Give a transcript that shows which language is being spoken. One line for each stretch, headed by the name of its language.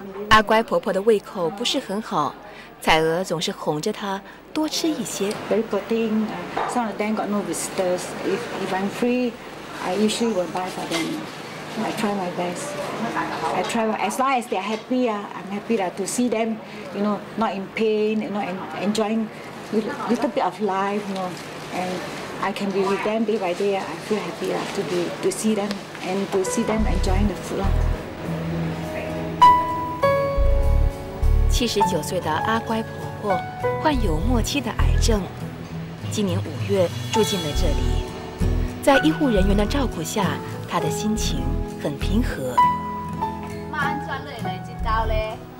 Chinese: 阿乖婆婆的胃口不是很好，彩娥总是哄着她多吃一些。
English: Very poor thing. Some of them got no visitors. If I'm free, I usually will buy for them. I try my best. As long as they're happy, I'm happy to see them. You know, not in pain. You know, enjoying little bit of life. You know, and I can be with them day by day. I feel happy to see them and to see them enjoying the food.
Chinese: 79岁的阿乖婆婆患有末期的癌症，今年5月住进了这里。在医护人员的照顾下，她的心情很平和。妈，你转来了，知道嘞。